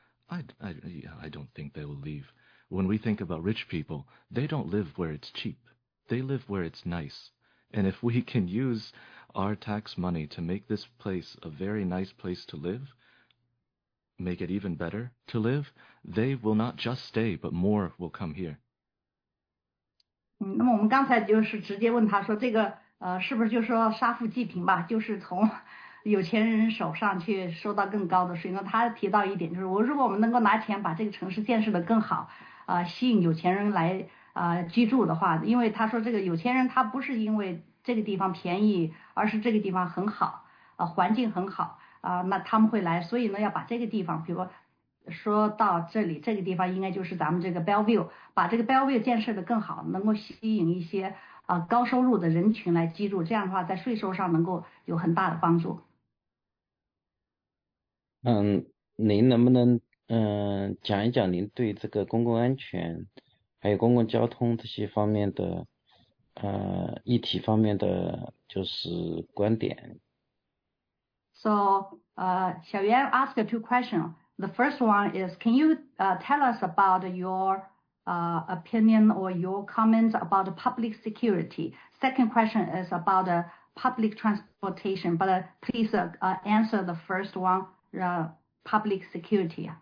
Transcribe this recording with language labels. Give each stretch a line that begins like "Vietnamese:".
English: I don't think they will leave. When we think about rich people, they don't live where it's cheap. They live where it's nice. And if we can use our tax money to make this place a very nice place to live, make it even better to live, they will not just stay, but more will come here.
Chinese: 那么我们刚才就是直接问他说这个是不是就是说杀富济贫吧，就是从有钱人手上去收到更高的税。那他提到一点就是如果我们能够拿钱把这个城市建设得更好，吸引有钱人来居住的话，因为他说这个有钱人他不是因为这个地方便宜，而是这个地方很好，环境很好，那他们会来，所以呢要把这个地方，比如说到这里，这个地方应该就是咱们这个 Bellevue， 把这个 Bellevue 建设的更好，能够吸引一些高收入的人群来居住，这样的话在税收上能够有很大的帮助。您能不能讲一讲您对这个公共安全还有公共交通这些方面的议题方面的就是观点。
English: So, 小袁 asked two questions. The first one is, can you tell us about your opinion or your comments about public security? Second question is about public transportation, but please answer the first one, public security.